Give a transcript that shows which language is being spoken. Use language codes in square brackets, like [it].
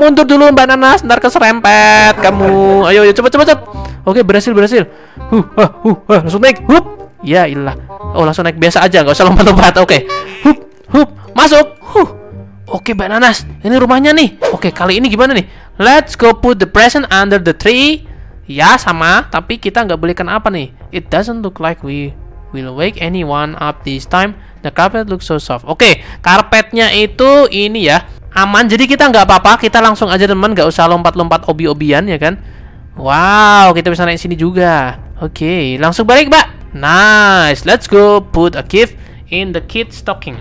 [id] Mundur dulu, Mbak Nanas, ntar keserempet kamu. Ayo cepat. Oke, berhasil. Langsung naik. Hup. Ya ilah. Oh, langsung naik biasa aja, nggak usah lompat-lompat. Oke. Hup. Masuk. Huh. Oke, Mbak Nanas, ini rumahnya nih. Oke, kali ini gimana nih? [en] Let's go put the present under the tree. [id] Ya, sama, tapi kita nggak boleh kena apa nih? [en] It doesn't look like we will wake anyone up this time. The carpet looks so soft. [id] Oke, karpetnya itu ini ya. Aman, jadi kita nggak apa-apa. Kita langsung aja, teman. Nggak usah lompat-lompat obi-obian, ya kan? Wow, kita bisa naik sini juga. Oke, langsung balik, Mbak. [en] Nice, let's go put a gift in the kid's stocking.